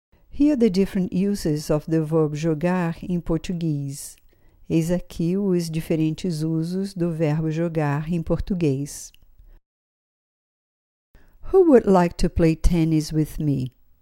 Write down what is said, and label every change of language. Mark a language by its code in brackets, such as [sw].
[en] Here are the different uses of the verb jogar in Portuguese. [pt] Eis aqui os diferentes usos do verbo jogar em português. [en] Who would like to play tennis with me?